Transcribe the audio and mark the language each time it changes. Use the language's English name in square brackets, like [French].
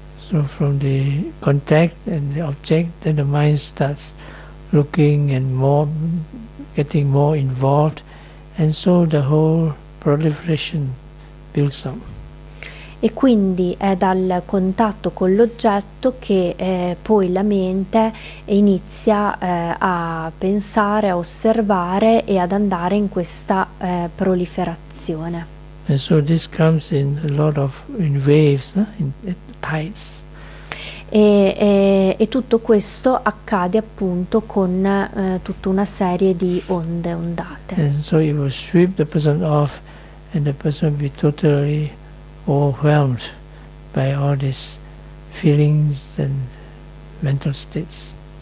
[English] So from the contact and the object, then the mind starts looking and more, getting more involved, and so the whole proliferation builds up. [Italian] E quindi è dal contatto con l'oggetto che poi la mente inizia a pensare, a osservare e ad andare in questa proliferazione. [English] And so this comes in a lot of in waves, in tides. [Italian] E tutto questo accade appunto con tutta una serie di onde, ondate. [English] And so it will sweep the person off and the person will be totally overwhelmed by all these feelings and mental states.